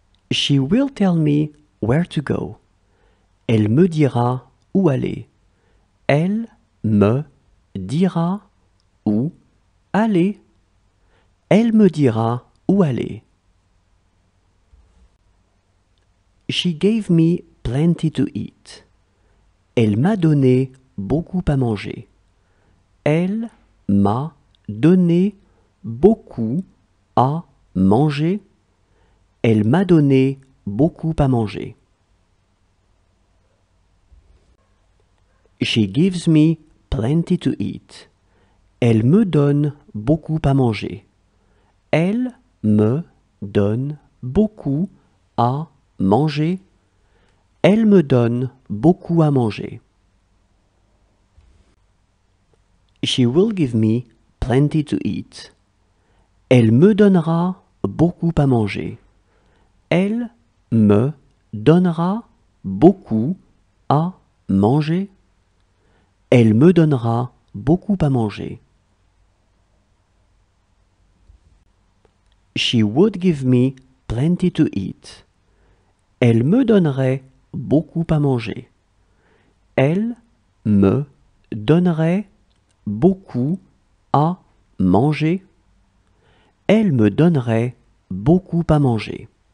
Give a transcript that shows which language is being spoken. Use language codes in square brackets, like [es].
[en] She will tell me where to go. [fr] Elle me dira où aller. Elle me dira où aller. Elle me dira où aller. [en] She gave me plenty to eat. [fr] Elle m'a donné beaucoup à manger. Elle m'a donné beaucoup à manger. Elle m'a donné beaucoup à manger. [en] She gives me plenty to eat. [fr] Elle me donne beaucoup à manger. Elle me donne beaucoup à manger. Elle me donne beaucoup à manger. [en] She will give me plenty to eat. [fr] Elle me donnera beaucoup à manger. Elle me donnera beaucoup à manger. Elle me donnera beaucoup à manger. [en] She would give me plenty to eat. [fr] Elle me donnerait beaucoup à manger. Elle me donnerait beaucoup à manger. Elle me donnerait beaucoup à manger.